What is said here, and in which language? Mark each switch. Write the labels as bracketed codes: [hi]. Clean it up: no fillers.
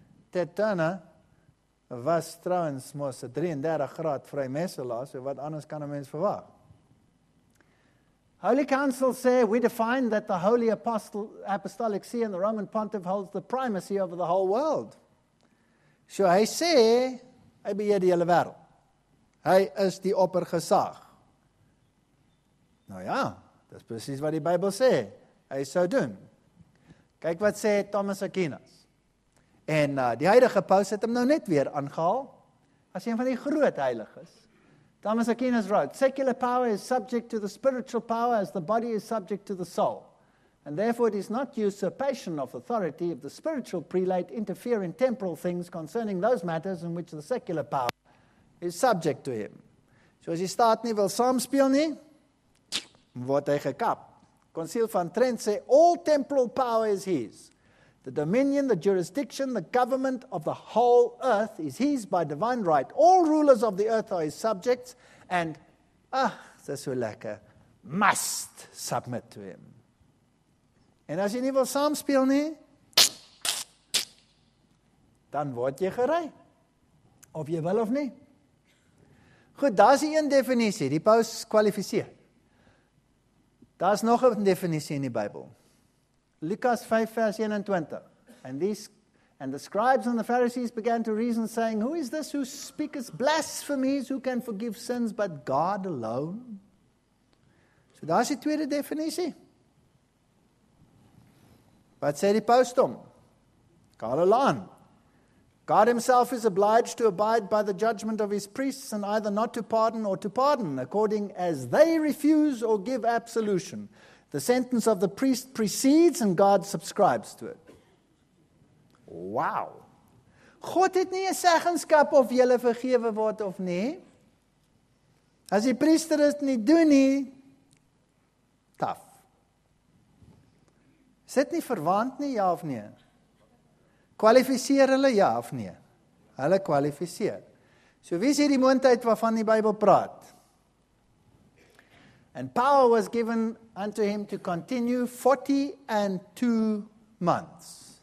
[af] Ted Turner was trouwens mos 33 graad vrymesselaar, so wat anders kan een mens verwag? [en] Holy Council say, we define that the Holy Apostle, Apostolic See and the Roman Pontiff holds the primacy over the whole world. [af] So hy sê, hy beheer die hele wêreld. Hy is die oppergesag. Nou ja, dit is precies wat die Bybel sê. Hy sou doen. Kyk wat sê Thomas Aquinas. En die huidige paus het hem nou net weer aangehaal, as een van die groot heiliges. [en] Thomas Aquinas wrote, secular power is subject to the spiritual power as the body is subject to the soul. And therefore it is not usurpation of authority if the spiritual prelate interfere in temporal things concerning those matters in which the secular power is subject to him. [af] So as die staat nie wil saamspeel nie, word hy gekap. [en] Conciel van Trent sê, all temporal power is his. The dominion, the jurisdiction, the government of the whole earth is his by divine right. All rulers of the earth are his subjects and, [af] dis so lekker, [en] must submit to him. [af] En as jy nie wil saamspeel nie, dan word jy gery. Of jy wil of nie. Goed, daar is die een definisie, die paus kwalificeer. Daar is nog een definisie in die Bybel. Lukas 5 vers 21. [en] And the scribes and the Pharisees began to reason, saying, who is this who speaks blasphemies, who can forgive sins but God alone? [af] So daar is die tweede definisie. Wat sê die paus dom? [en] Call along. God himself is obliged to abide by the judgment of his priests and either not to pardon or to pardon, according as they refuse or give absolution. The sentence of the priest precedes and God subscribes to it. Wow. [af] God het nie 'n seggenskap of jy vergewe word of nie. As die priester dit nie doen nie, taf. Is dit nie verwant nie, ja of nee? Kwalificeer hulle ja of nee? Hulle kwalificeer. So wie is hier die moontheid waarvan die Bybel praat? [en] And power was given unto him to continue 42 months.